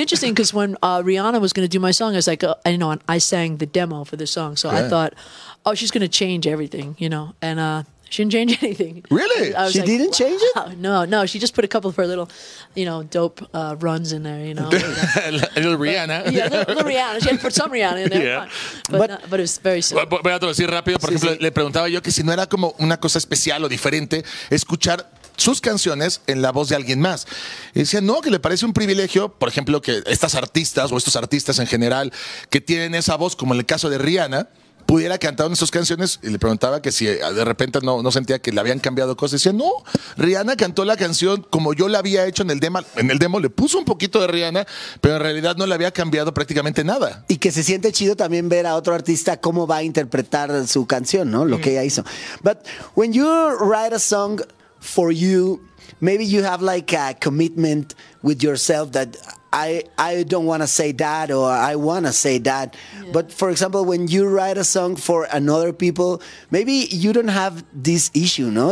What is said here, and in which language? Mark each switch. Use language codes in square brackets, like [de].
[en] interesting because when Rihanna was going to do my song, I was like, you know, and I sang the demo for the song. So I thought, oh, she's going to change everything, you know? And She didn't change anything. Really? She like, didn't change it? No. She just put a couple of her little, you know, dope runs in there, you know. little Rihanna. But, yeah, little Rihanna. She had to put some Rihanna in there. Yeah. But it was very simple. [es] Voy a traducir rápido. Por ejemplo, le preguntaba yo que si no era como una cosa especial o diferente escuchar sus canciones en la voz de alguien más. Y decía, no, que le parece un privilegio, por ejemplo, que estas artistas o estos artistas en general que tienen esa voz, como en el caso de Rihanna, pudiera cantar una de sus canciones. Y le preguntaba que si de repente no sentía que le habían cambiado cosas. Y decía, no, Rihanna cantó la canción como yo la había hecho en el demo. En el demo le puso un poquito de Rihanna, pero en realidad no le había cambiado prácticamente nada. Y que se siente chido también ver a otro artista cómo va a interpretar su canción, ¿no? Lo que ella hizo. [en] But when you write a song for you, maybe you have like a commitment with yourself that I don't want to say that or I want to say that. Yeah. But for example, when you write a song for another people, maybe you don't have this issue, no?